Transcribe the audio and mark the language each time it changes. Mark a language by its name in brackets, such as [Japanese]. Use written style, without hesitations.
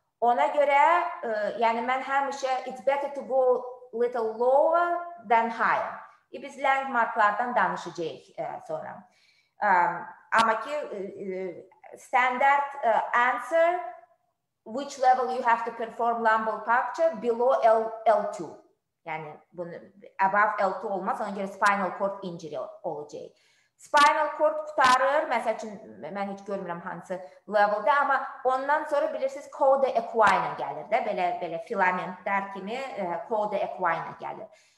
[Azerbaijani] Ona görə, yəni mən həmişə [English] it's better to go little lower than higher. [Azerbaijani] Biz landmarklardan danışacağıq sonra. Amma ki [English] standard answer which level you have to perform lumbar puncture below L2. [Azerbaijani] Yəni bunu above L2 olmaz, ona görə spinal cord injury olacaq. Spinal cord qutarır, məsəl üçün mən heç görmürəm hansı leveldə, amma ondan sonra bilirsiniz cauda equina gəlir də, belə filamentlər kimi cauda equina gəlir.